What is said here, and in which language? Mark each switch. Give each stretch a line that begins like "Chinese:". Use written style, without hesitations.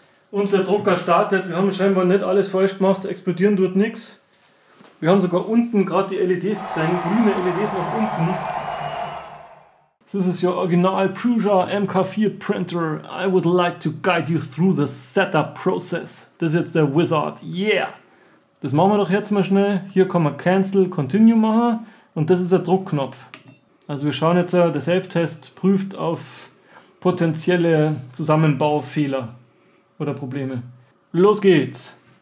German: Und der Drucker startet. Wir haben scheinbar nicht alles falsch gemacht. Explodieren tut nichts. Wir haben sogar unten gerade die LEDs gesehen. Grüne LEDs nach unten.
English: This is your original Prusa MK4 printer. I would like to guide you through the setup process.
German: Das ist jetzt der Wizard. Yeah! Das machen wir doch jetzt mal schnell. Hier kann man Cancel, Continue machen. Und das ist der Druckknopf. Also wir schauen jetzt, der Self-Test prüft auf potenzielle Zusammenbaufehler oder Probleme. Los geht's!